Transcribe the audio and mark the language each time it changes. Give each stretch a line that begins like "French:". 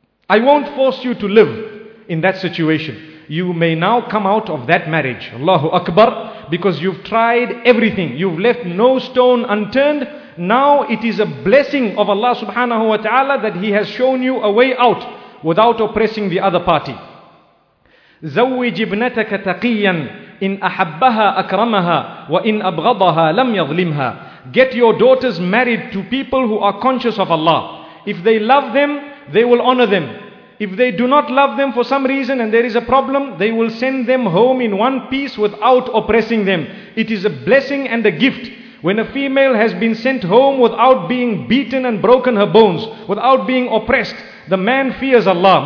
English: I won't force you to live in that situation. You may now come out of that marriage, Allahu Akbar, because you've tried everything. You've left no stone unturned. Now it is a blessing of Allah subhanahu wa ta'ala that He has shown you a way out without oppressing the other party.
Arabic: زوج ابنتك تقيا إن أحبها أكرمها وإن أبغضها لم يظلمها.
English: Get your daughters married to people who are conscious of Allah. If they love them, they will honor them. If they do not love them for some reason and there is a problem, they will send them home in one piece without oppressing them. It is a blessing and a gift. When a female has been sent home without being beaten and broken her bones, without being oppressed, the man fears Allah.